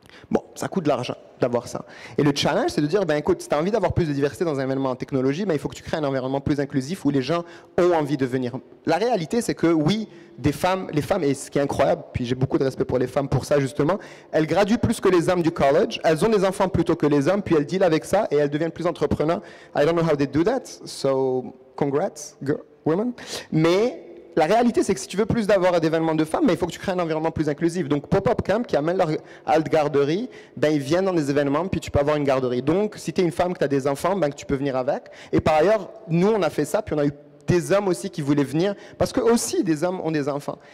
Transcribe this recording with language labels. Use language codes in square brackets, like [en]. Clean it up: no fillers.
[fr] Bon, ça coûte de l'argent d'avoir ça. Et le challenge, c'est de dire, ben, écoute, si tu as envie d'avoir plus de diversité dans un événement en technologie, ben, il faut que tu crées un environnement plus inclusif où les gens ont envie de venir. La réalité, c'est que oui, des femmes, les femmes, et ce qui est incroyable, puis j'ai beaucoup de respect pour les femmes pour ça justement, elles graduent plus que les hommes du college, elles ont des enfants plutôt que les hommes, puis elles dealent avec ça et elles deviennent plus entrepreneurs. [en] I don't know how they do that, so congrats, girl, women. [fr] Mais la réalité, c'est que si tu veux plus d'avoir d'événements de femmes, ben, il faut que tu crées un environnement plus inclusif. Donc, Pop-Up Camp, qui amène leur halte garderie, ben, ils viennent dans des événements, puis tu peux avoir une garderie. Donc, si tu es une femme, que tu as des enfants, ben, que tu peux venir avec. Et par ailleurs, nous, on a fait ça, puis on a eu des hommes aussi qui voulaient venir, parce que aussi, des hommes ont des enfants.